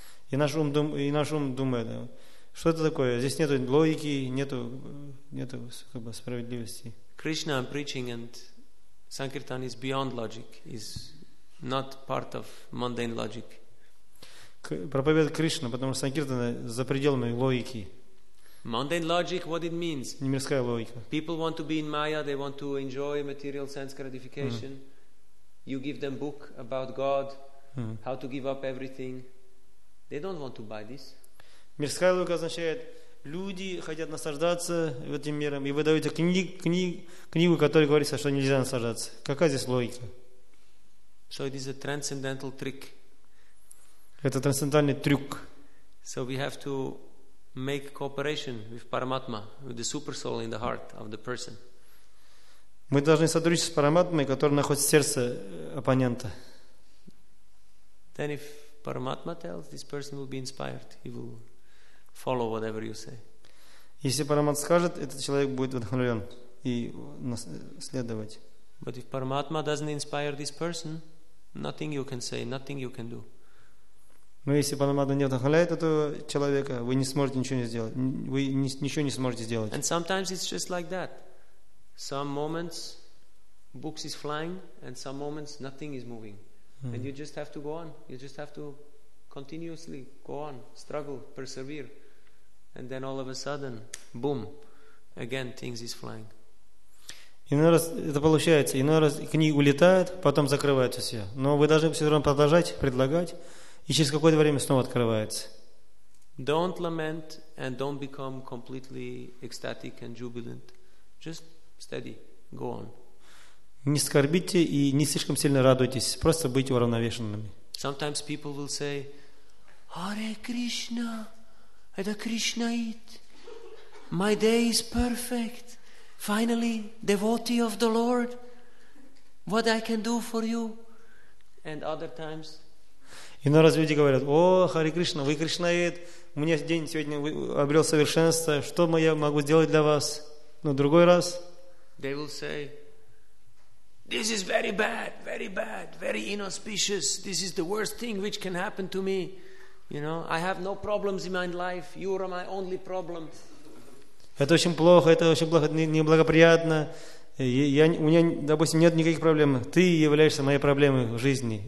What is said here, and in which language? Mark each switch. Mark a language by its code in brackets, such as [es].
[ru] И наш ум думает. Что это такое? Здесь нету логики, нету как бы справедливости. [en] Krishna I'm preaching and Sankirtan is beyond logic, is not part of mundane logic. [ru] Проповедует Кришна, потому что Санкиртана за пределами логики. [en] Mundane logic, what it means? [ru] Немирская логика. [en] People want to be in Maya, they want to enjoy material sense gratification. You give them book about God, how to give up everything. They don't want to buy this. [ru] Мирская логика означает, люди хотят наслаждаться этим миром, и вы даете книгу, в которой говорится, что нельзя наслаждаться. Какая здесь логика? [en] So it is a transcendental trick. [ru] Это трансцендентальный трюк. [en] So we have to make cooperation with Paramatma, with the super soul in the heart of the person. [ru] Мы должны сотрудничать с Параматмой, который находится в сердце оппонента. [en] Then if Paramatma tells, this person will be inspired. He will follow whatever you say. [ru] Если Параматма скажет, этот человек будет вдохновлен и следовать. [en] But if Paramatma doesn't inspire this person, nothing you can say, nothing you can do. [ru] Но если Параматма не вдохновляет этого человека, вы не сможете ничего не сделать. Вы ничего не сможете сделать. [en] And sometimes it's just like that. Some moments books is flying, and some moments nothing is moving. And you just have to go on. You just have to continuously go on, struggle, persevere, and then all of a sudden, boom, again things is flying. [ru] Иной раз это получается, иной раз книги улетают, потом закрываются все. Но вы должны все равно продолжать предлагать, и через какое-то время снова открывается. [en] Don't lament and don't become completely ecstatic and jubilant. Just steady, go on. [ru] Не скорбите и не слишком сильно радуйтесь, просто будьте уравновешенными. [en] Sometimes people will say, Hare Krishna, [ru] это Кришнаит. [en] My day is perfect. Finally, devotee of the Lord. What I can do for you? And other times. [ru] Иной раз люди говорят, о, Харе Кришна, вы Кришнаит. У меня день сегодня обрел совершенство. Что я могу сделать для вас? Но другой раз. [en] They will say, this is very bad, very bad, very inauspicious. This is the worst thing which can happen to me. You know, I have no problems in my life. You are my only problem. [ru] Это очень плохо, это очень плохо, неблагоприятно. Я, у меня, допустим, нет никаких проблем. Ты являешься моей проблемой в жизни.